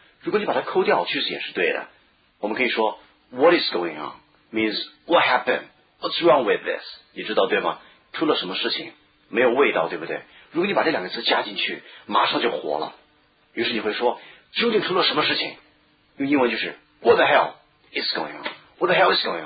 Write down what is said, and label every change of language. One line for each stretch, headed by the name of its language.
Chinese: 如果你把它抠掉，句子也是对的。我们可以说
English: What is going on means what happened? What's wrong with this?
Chinese: 你知道对吗？出了什么事情？没有味道，对不对？如果你把这两个词加进去，马上就活了。于是你会说究竟出了什么事情？用英文就是
English: What the hell is going on? What the hell is going on?